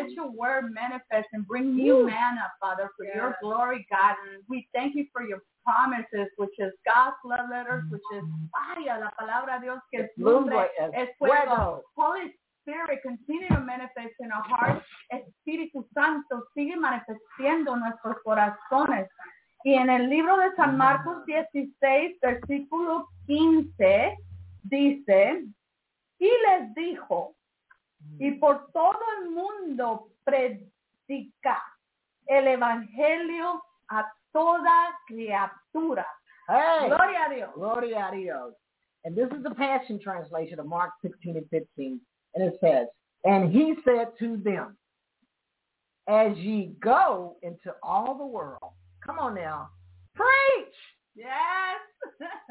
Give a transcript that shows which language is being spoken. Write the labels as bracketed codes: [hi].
[en] Let your word manifest and bring new manna, Father, for yes. your glory, God. We thank you for your promises, which is God's love letters, which is [es] vaya la palabra Dios que es lumbre, es fuego. [en] Holy Spirit, continue to manifest in our hearts. [es] Espíritu Santo, sigue manifestando nuestros corazones. Y en el libro de San Marcos 16, versículo 15, dice, y les dijo, y por todo el mundo predica el evangelio a toda criatura. [en] Hey, [es] gloria a Dios. Gloria a Dios. [en] And this is the Passion Translation of Mark 16 and 15. And it says, and he said to them, as ye go into all the world, come on now, preach. Yes.